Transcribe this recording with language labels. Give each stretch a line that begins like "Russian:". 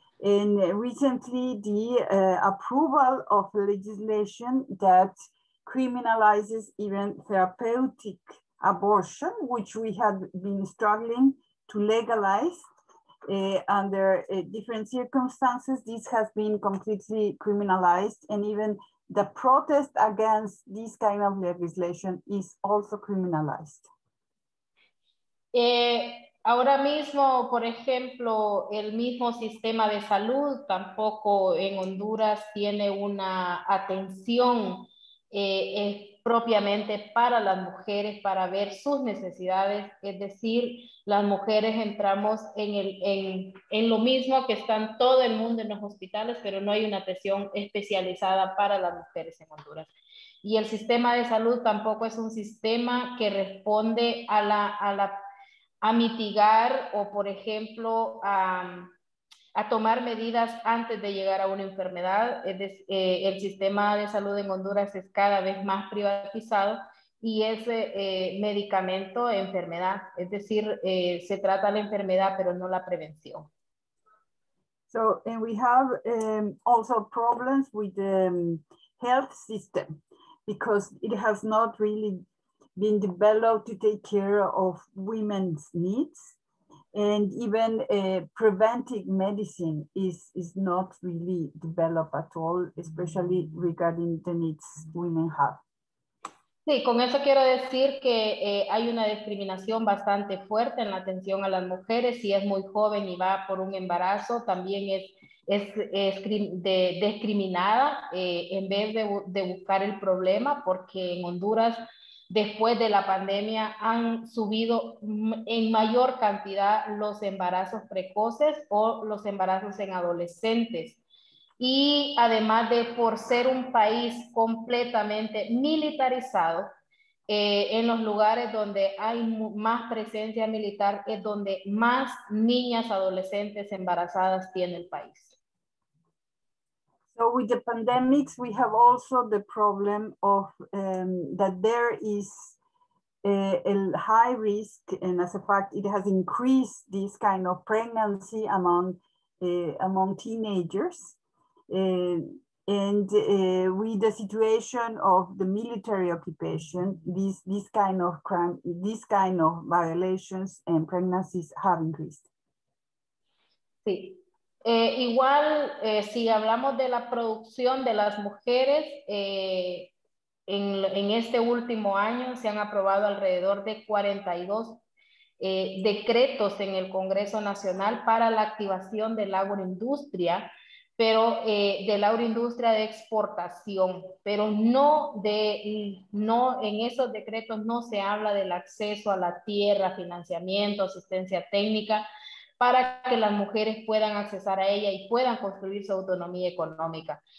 English: And recently, the approval of legislation that criminalizes even therapeutic abortion, which we have been struggling to legalize under different circumstances, this has been completely criminalized. And even the protest against this kind of legislation is also criminalized.
Spanish: Ahora mismo, por ejemplo, el mismo sistema de salud tampoco en Honduras tiene una atención propiamente para las mujeres, para ver sus necesidades. Es decir, las mujeres entramos en lo mismo que están todo el mundo en los hospitales, pero no hay una atención especializada para las mujeres en Honduras. Y el sistema de salud tampoco es un sistema que responde a mitigar o, por ejemplo, a tomar medidas antes de llegar a una enfermedad. El sistema de salud en Honduras es cada vez más privatizado y es medicamento enfermedad. Es decir, se trata la enfermedad, pero no la prevención.
English: So, and we have also problems with the health system because it has not really been developed to take care of women's needs. And even preventive medicine is not really developed at all, especially regarding the needs women have.
Spanish: Sí, con eso quiero decir que hay una discriminación bastante fuerte en la atención a las mujeres. Si es muy joven y va por un embarazo, también es discriminada en vez de buscar el problema, porque en Honduras, después de la pandemia, han subido en mayor cantidad los embarazos precoces o los embarazos en adolescentes. Y además de por ser un país completamente militarizado, en los lugares donde hay más presencia militar es donde más niñas adolescentes embarazadas tiene el país.
English: So with the pandemics, we have also the problem of that there is a high risk, and as a fact, it has increased this kind of pregnancy among teenagers. And with the situation of the military occupation, this kind of violations and pregnancies have increased.
Spanish: Sí. Igual, si hablamos de la producción de las mujeres, en este último año se han aprobado alrededor de 42 decretos en el Congreso Nacional para la activación de la agroindustria, pero de la agroindustria de exportación, pero no en esos decretos no se habla del acceso a la tierra, financiamiento, asistencia técnica, para que las mujeres puedan accesar a ella y puedan construir su autonomía económica.